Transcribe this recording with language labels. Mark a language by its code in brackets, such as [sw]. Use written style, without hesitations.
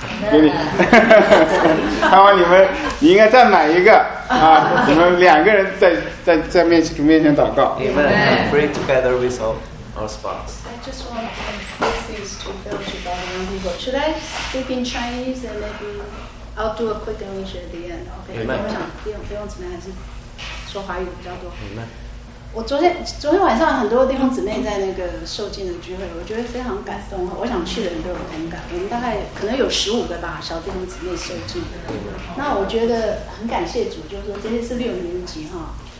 [zh] 给你，看完你应该再买一个啊！你们两个人在面前祷告。 [en] Amen. Pray together with our spouse. I just want to confess this to fellowship around people. Should I speak in Chinese and maybe I'll do a quick English at the end? Okay. Amen. [zh] 弟兄姊妹还是说华语比较多。 [en] Amen. [zh] 我昨天晚上很多弟兄姊妹在那个受浸的聚会，我觉得非常感动。我想去的人都有同感，我们大概可能有15个吧，小弟兄姊妹受浸。那我觉得很感谢主，就是说这些是6年级哈。